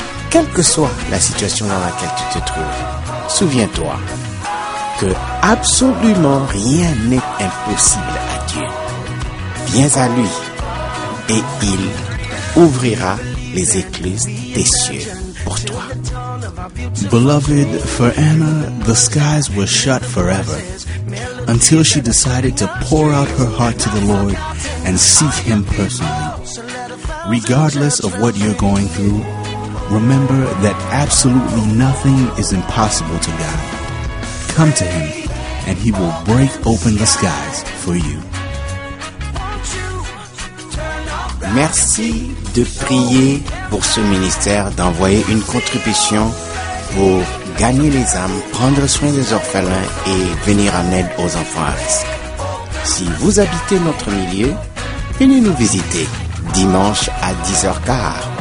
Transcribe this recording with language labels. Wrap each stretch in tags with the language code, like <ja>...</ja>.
<fr>Quelle que soit la situation dans laquelle tu te trouves, souviens-toi que absolument rien n'est impossible à Dieu. Viens à lui et il ouvrira les écluses des cieux pour toi.</fr> <en>Beloved, for Anna, the skies were shut forever until she decided to pour out her heart to the Lord and seek Him personally. Regardless of what you're going through, remember that absolutely nothing is impossible to God. Come to Him, and He will break open the skies for you.</en> <fr>Merci de prier pour ce ministère, d'envoyer une contribution pour gagner les âmes, prendre soin des orphelins et venir en aide aux enfants à risque. Si vous habitez notre milieu, venez nous visiter dimanche à 10h15.</fr>